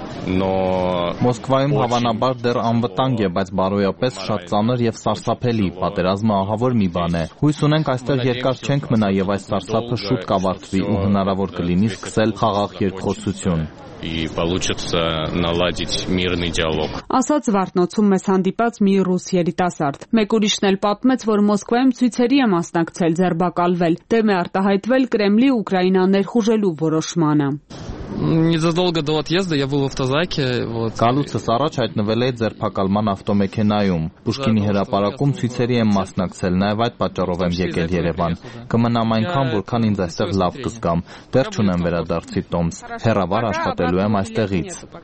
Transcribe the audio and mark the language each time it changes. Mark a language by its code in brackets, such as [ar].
[hy] Մոսկվայում հավանաբար դեռ անվտանգ է, բայց բարոյապես շատ ծանր և սարսափելի, պատերազմը ահավոր մի բան է։ Հույս ունենք այստեղ երկար չենք մնա և այս սարսափը շուտ կավարտվի ու հնարավոր կլինի սկսել խաղաղ երկխոսություն։ Ասաց Վարտնոցում մեզ հանդիպած մի ռուս երիտասարդ։ Մեկ ուրիշն էլ պատմեց, որ Մոսկվայում ցույցերի է մասնակցել ձերբակալվել, դեմ է արտահայտվել Կրեմլի Ուկրաինա ներխուժելու որոշմանը։ [ru] Незадолго до отъезда я был в автозаке, вот. [hy] Կալուցս առաջ հայտնվել էի ձերբակալման ավտոմեքենայում։ Պուշկինի հրապարակում ցույցերի եմ մասնակցել, նաև այդ պատճառով եմ եկել Երևան։ Կմնամ այնքան, որքան ինձ այստեղ լավ կզգամ։ Դեռ չունեմ վերադարձի տոմս։ Հեռավար աշխատելու եմ այստեղից։